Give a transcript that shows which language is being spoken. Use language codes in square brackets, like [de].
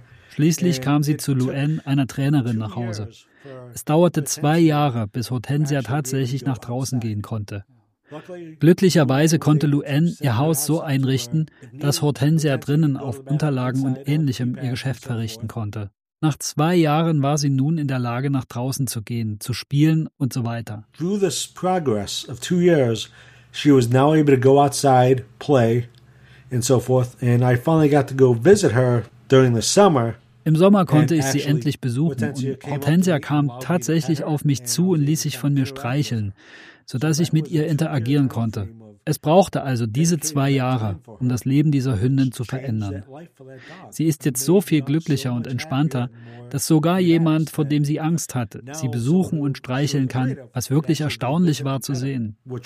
[de] Schließlich kam sie zu Luann, einer Trainerin, nach Hause. Es dauerte 2 Jahre, bis Hortensia tatsächlich nach draußen gehen konnte. Glücklicherweise konnte Luann ihr Haus so einrichten, dass Hortensia drinnen auf Unterlagen und Ähnlichem ihr Geschäft verrichten konnte. Nach 2 Jahren war sie nun in der Lage, nach draußen zu gehen, zu spielen und so weiter. [en] Through this progress of 2 years, she was now able to go outside, play and so forth. And I finally got to go visit her during the summer. [de] Im Sommer konnte ich sie endlich besuchen und Hortensia kam tatsächlich auf mich zu und ließ sich von mir streicheln, sodass ich mit ihr interagieren konnte. Es brauchte also diese 2 Jahre, um das Leben dieser Hündin zu verändern. Sie ist jetzt so viel glücklicher und entspannter, dass sogar jemand, vor dem sie Angst hatte, sie besuchen und streicheln kann, was wirklich erstaunlich war zu sehen.